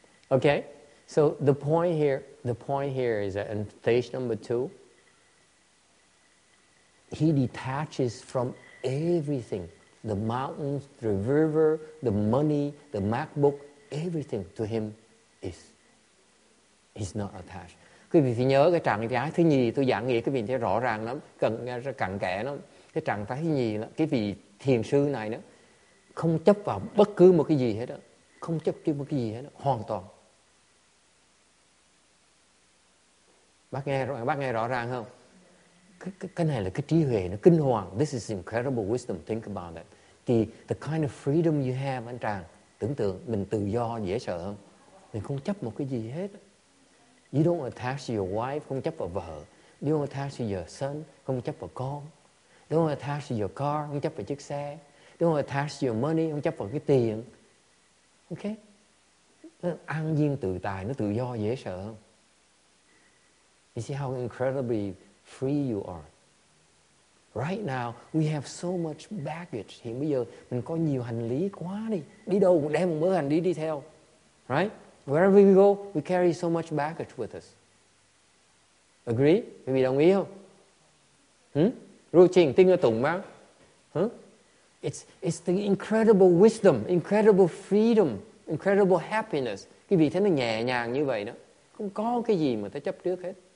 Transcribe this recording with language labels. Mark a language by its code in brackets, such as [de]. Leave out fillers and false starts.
[en] Okay, so the point here is that in stage number two, he detaches from everything. The mountains, the river, the money, the MacBook, everything to him is not attached. [vi] Quý vị phải nhớ cái trạng thái thứ nhì tôi giảng nghĩa, quý vị thấy rõ ràng lắm, cần cặn kẽ lắm. cái trạng thái gì là cái vị thiền sư này nữa, không chấp vào bất cứ một cái gì hết đó, không chấp trước một cái gì hết đó, hoàn toàn. Bác nghe rõ ràng không? Cái này là cái trí huệ nó kinh hoàng. [en] This is incredible wisdom. Think about it. The kind of freedom you have, anh Tràng, [vi] tưởng tượng mình tự do dễ sợ không? Mình không chấp một cái gì hết. [en] You don't attach to your wife, [vi] không chấp vào vợ. [en] You don't attach to your son, [vi] không chấp vào con. [en] You don't attach to your car, [vi] không chấp vào chiếc xe. [en] You don't attach to your money, [vi] không chấp vào cái tiền. [en] Ok? [vi] Nó an nhiên tự tại, nó tự do dễ sợ không? [en] You see how incredibly free you are. Right now, we have so much baggage. [vi] Hiện bây giờ, mình có nhiều hành lý quá đi. Đi đâu cũng đem một mớ hành lý đi theo. [en] Right? Wherever we go, we carry so much baggage with us. Agree? [vi] Quý vị đồng ý không? [en] Routine, tinh ở tùng mà. It's the incredible wisdom, incredible freedom, incredible happiness. [vi] Quý vị thấy nó nhẹ nhàng như vậy đó. Không có cái gì mà ta chấp trước hết.